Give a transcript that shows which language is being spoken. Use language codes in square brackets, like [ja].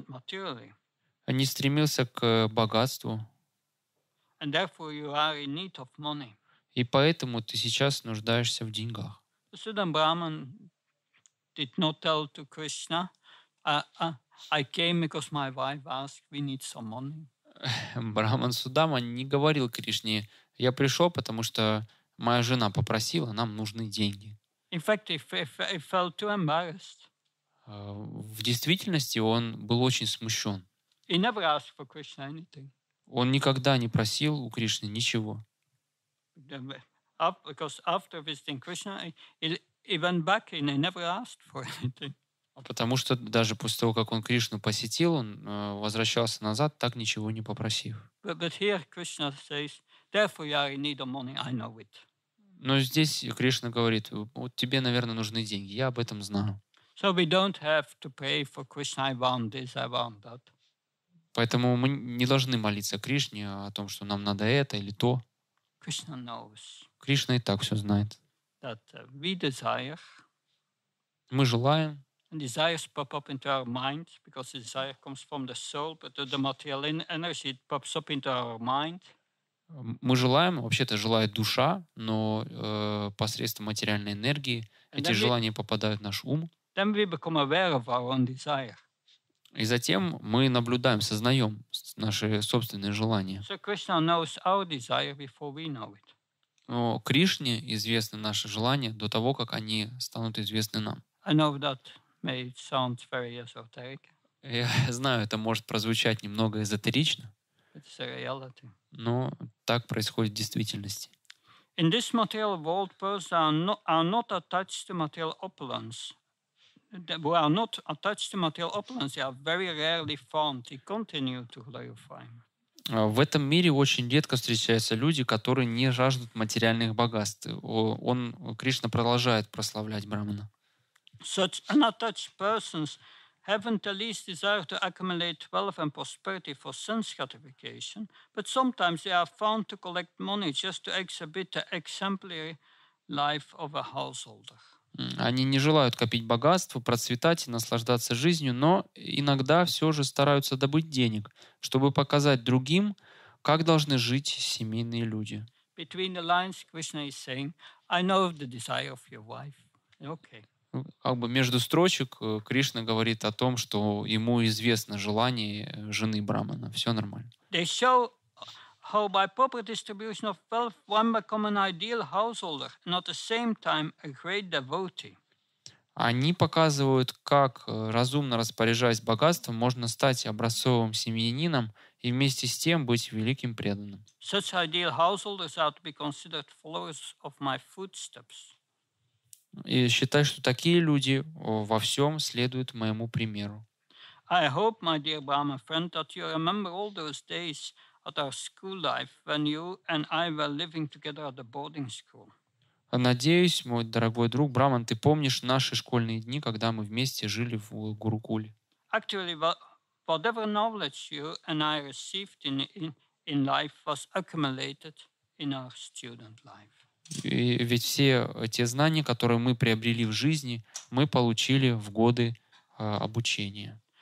[ru] Не стремился к богатству. [en] And therefore you are in need of money. [ru] И поэтому ты сейчас нуждаешься в деньгах. [en] Sudan Brahman did not tell to Krishna, I came because my wife asked, we need some money. [ru] Брахман Судама не говорил Кришне: я пришел, потому что моя жена попросила, нам нужны деньги. [en] In fact, he felt too embarrassed. [ru] В действительности он был очень смущен. [en] He never asked for Krishna anything. [ru] Он никогда не просил у Кришны ничего. [en] Because after visiting Krishna, he went back and he never asked for anything. [ru] Потому что даже после того, как он Кришну посетил, он возвращался назад, так ничего не попросив. [en] But here Krishna says, therefore you are in need of money, I know it. [ru] Но здесь Кришна говорит: вот тебе, наверное, нужны деньги, я об этом знаю. [en] So we don't have to pray for Krishna, I want this, I want that. [ru] Поэтому мы не должны молиться Кришне о том, что нам надо это или то. [en] Krishna knows. [ru] Кришна и так все знает. [en] That we desire. [ru] Мы желаем. [en] And desires pop up into our mind because desire comes from the soul, but the material energy it pops up into our mind. [ru] Мы желаем, вообще-то желает душа, но посредством материальной энергии эти желания попадают в наш ум. [en] Then we become aware of our own desire. [ru] И затем мы наблюдаем, сознаем наши собственные желания. [en] So Krishna knows our desire before we know it. [ru] Но Кришне известны наши желания до того, как они станут известны нам. [en] I know that may sound very esoteric. [ru] Я знаю, это может прозвучать немного эзотерично. [en] It's a reality. [ru] Но так происходит в действительности. [en] In this material world, persons are not attached to material opulence. We are not attached to material opulence. They are very rarely found. He continued to clarify. [ru] В этом мире очень редко встречаются люди, которые не жаждут материальных богатств. Он, Кришна, продолжает прославлять Брахмана. [en] Such unattached persons haven't the least desire to accumulate wealth and prosperity for sense gratification, but sometimes they are found to collect money just to exhibit the exemplary life of a householder. [ru] Они не желают копить богатство, процветать и наслаждаться жизнью, но иногда все же стараются добыть денег, чтобы показать другим, как должны жить семейные люди. [en] Between the lines, Krishna is saying, I know the desire of your wife. Okay. [ru] Как бы между строчек Кришна говорит о том, что ему известно желание жены Брахмана. Все нормально. [en] They show how by proper distribution of wealth one become an ideal householder, and at the same time a great devotee. [ru] Они показывают, как разумно распоряжаясь богатством, можно стать образцовым семьянином и вместе с тем быть великим преданным. [en] Such ideal householders are to be considered followers of my footsteps. [ru] И считай, что такие люди во всем следуют моему примеру. [en] I hope, my dear Brahma friend, that you remember all those days at our school life when you and I were living together at the boarding school. [ru] Надеюсь, мой дорогой друг Браман, ты помнишь наши школьные дни, когда мы вместе жили в Гурукуле. [en] Actually, whatever knowledge you and I received in life was accumulated in our student life. [ru] И ведь все те знания, которые мы приобрели в жизни, мы получили в годы обучения.